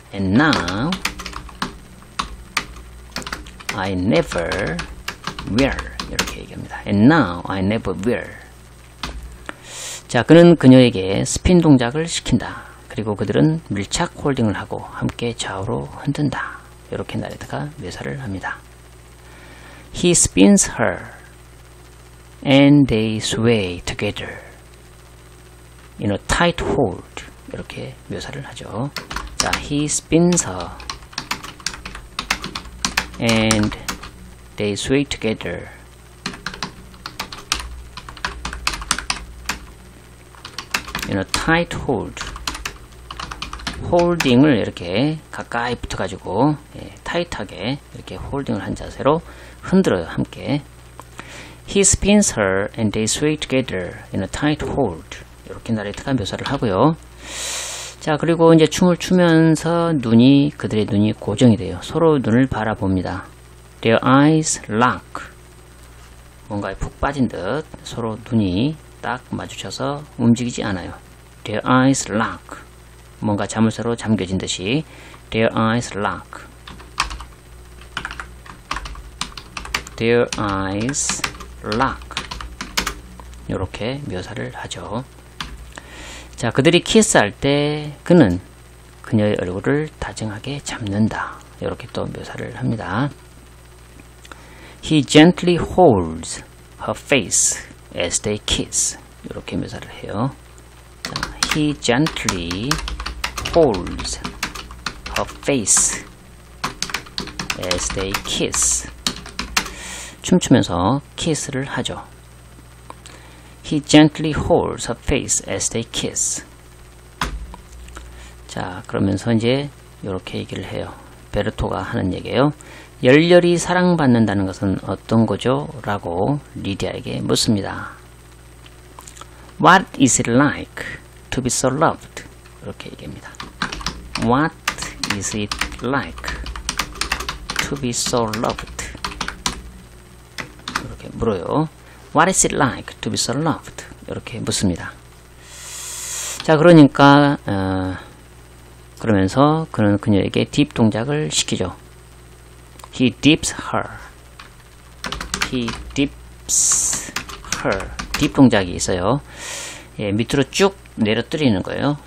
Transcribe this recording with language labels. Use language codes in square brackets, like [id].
[en] And now I never will. [ko] 이렇게 얘기합니다. [en] And now I never will. [ko] 자, 그는 그녀에게 스핀 동작을 시킨다. 그리고 그들은 밀착 홀딩을 하고 함께 좌우로 흔든다. 이렇게 나레타가 묘사를 합니다. [en] He spins her and they sway together in a tight hold. [ko] 이렇게 묘사를 하죠. [en] 자, he spins her and they sway together in a tight hold. [ko] Holding을 이렇게 가까이 붙어가지고 예, 타이트하게 이렇게 홀딩을 한 자세로 흔들어요. 함께. [en] He spins her and they sway together in a tight hold. [ko] 이렇게 나레이터가 묘사를 하고요. 자, 그리고 이제 춤을 추면서 눈이 그들의 눈이 고정이 돼요. 서로 눈을 바라봅니다. [en] Their eyes lock. [ko] 뭔가에 푹 빠진 듯 서로 눈이 딱 마주쳐서 움직이지 않아요. [en] Their eyes lock. [ko] 뭔가 자물쇠로 잠겨진 듯이 [en] Their eyes lock. Their eyes lock. [ko] 이렇게 묘사를 하죠. 자, 그들이 키스할 때 그는 그녀의 얼굴을 다정하게 잡는다. 이렇게 또 묘사를 합니다. [en] He gently holds her face as they kiss. [ko] 이렇게 묘사를 해요. [en] 자, He gently holds her face as they kiss. [ko] 춤추면서 키스를 하죠. [en] He gently holds her face as they kiss. [ko] 자, 그러면서 이제 이렇게 얘기를 해요. 베르토가 하는 얘기예요. 열렬히 사랑받는다는 것은 어떤 거죠? 라고 리디아에게 묻습니다. [en] What is it like to be so loved? [ko] 이렇게 얘기합니다. [en] What is it like to be so loved? [ko] 이렇게 물어요. [en] What is it like to be so loved? [ko] 이렇게 묻습니다. 자, 그러니까 그러면서 그는 그녀에게 딥 동작을 시키죠. [en] He dips her. He dips her. [ko] 딥 동작이 있어요. 예, 밑으로 쭉 내려뜨리는 거예요.